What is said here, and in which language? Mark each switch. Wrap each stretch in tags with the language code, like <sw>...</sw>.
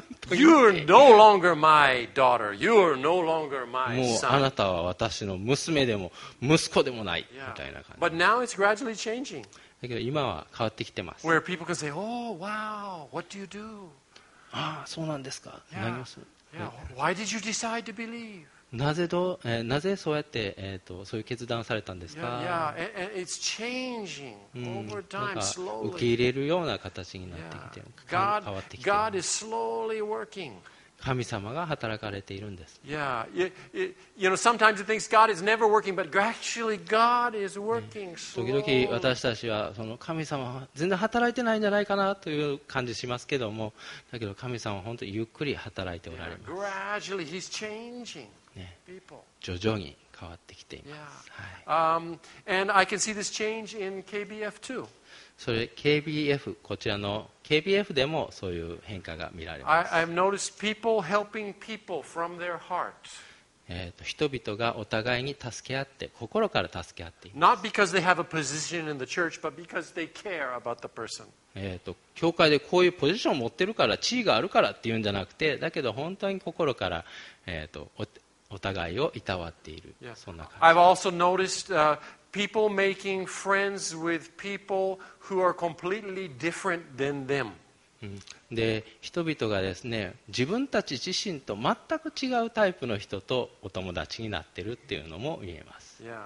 <en>You're no longer my daughter. You're no longer my son.</en> <ja>もうあなたは私の娘でも息子でもないみたいな感じ。</ja> <en>But now it's gradually changing.</en> <ja>だけど今は変わってきてます。</ja> <en>Where people can say, "Oh, wow, what do you do?"</en> <ja>ああ、そうなんですか。何をする。</ja> <en>Yeah. Why did you decide to believe?</en> <ja>なぜそうやって、そういう決断されたんですか。</ja> <en>Yeah, yeah. It's changing over time, slowly.</en> <ja>受け入れるような形になってきて、変わってきて。</ja> <en>God is slowly working.</en> <ja>神様が働かれているんです。</ja> <en>Yeah, you know, sometimes it thinks God is never working, but actually God is working slowly.</en> <ja>時々私たちはその神様は全然働いてないんじゃないかなという感じしますけども、だけど神様は本当にゆっくり働いておられます。</ja> <en>Gradually, He's changing.</en> <ja>ね、徐々に変わってきています。</ja> <en>Yeah.</en> <ja>はい。</ja> <en>And I can see this change in KBF too.</en> <ja>それ KBF こちらの KBF でもそういう変化が見られます。</ja> <en>I've noticed people helping people from their heart.</en> <ja>人々がお互いに助け合って心から助け合っています。</ja> <en>Not because they have a position in the church, but because they care about the person.</en> <ja>教会でこういうポジションを持ってるから地位があるからっていうんじゃなくて、だけど本当に心からお互いをいたわっている、yeah. そんな感じ。</ja> <en>I've also noticed people making friends with people who are completely different than them.</en> <ja>で、人々がですね、自分たち自身と全く違うタイプの人とお友達になってるっていうのも見えます。</ja>